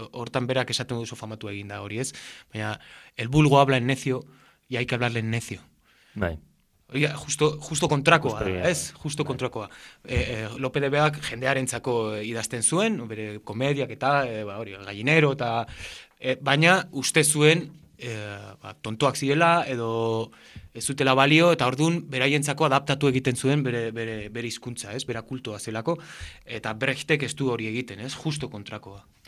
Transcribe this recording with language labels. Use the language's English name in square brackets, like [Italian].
[Basque] Hortan berak esaten duzu famatu eginda hori, ez? [Spanish] Baina, el vulgo habla en necio y hay que hablarle en necio. [Basque] Bai. Oia, justo kontrakoa, ez? Justo kontrakoa. Lope de Vegak jendearen txako idazten zuen, bere komediak eta, hori, gallinero eta... baina, uste zuen, tontoak zirela, edo... ez zutela balio, eta orduan beraientzako adaptatu egiten zuen bere hizkuntza, ez, bera kultua zelako, eta Brechtek ez du hori egiten, ez, justo kontrakoa.